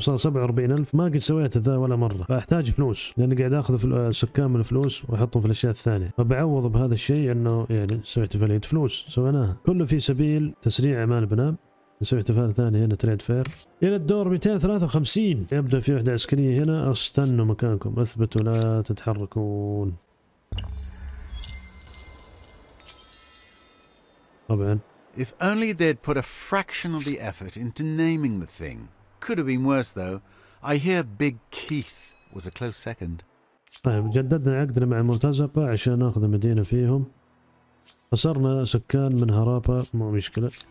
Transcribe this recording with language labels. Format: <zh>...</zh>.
<ar>صار 47,000، ما قد سويت ذا ولا مرة، فاحتاج فلوس لان قاعد اخذ السكان من الفلوس واحطهم في الاشياء الثانية، فبعوض بهذا الشيء انه يعني نسوي احتفالية فلوس سويناها. كله في سبيل تسريع اعمال البناء. نسوي احتفال ثاني هنا تريد فير. الى الدور 253 يبدا في وحدة عسكرية هنا. استنوا مكانكم، اثبتوا لا تتحركون. طبعا</ar> <en>if only they'd put a fraction of the effort into naming the thing. Could have been worse though. I hear Big Keith was a close second.</en> <ar>طيب جددنا عقدنا مع المرتزقة عشان ناخذ المدينة فيهم. خسرنا سكان من هرابا، مو مشكلة.</ar>